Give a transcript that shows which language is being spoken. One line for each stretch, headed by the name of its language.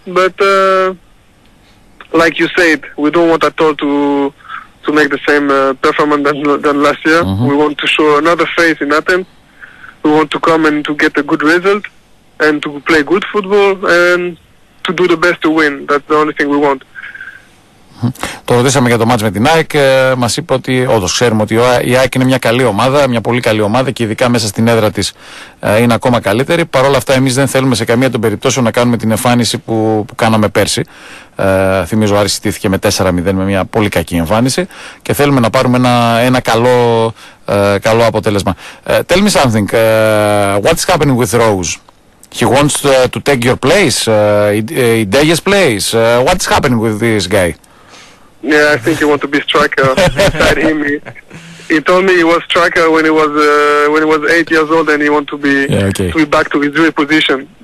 English: But like you said, we don't want at all to make the same performance than last year. Mm-hmm. We want to show another face in Athens. We want to come and to get a good result and to play good football and to do the best to win. That's the only thing we want.
Greek: Το ρωτήσαμε για το μάτς με την ΑΕΚ. Μας είπε ότι όντως ξέρουμε ότι η ΑΕΚ είναι μια καλή ομάδα, μια πολύ καλή ομάδα και ειδικά μέσα στην έδρα της είναι ακόμα καλύτερη. Παρ' όλα αυτά, εμείς δεν θέλουμε σε καμία των περιπτώσεων να κάνουμε την εμφάνιση που κάναμε πέρσι. Θυμίζω, ο Άρης στήθηκε με 4-0 με μια πολύ κακή εμφάνιση και θέλουμε να πάρουμε ένα καλό αποτέλεσμα.
English: Tell me something. What is happening with Rose? He wants to take your place, in Dejes place. What is happening with this guy? Yeah, I think he wants to be striker inside him. He told me he was striker when he was 8 years old, and he wants to be to be back to his real position.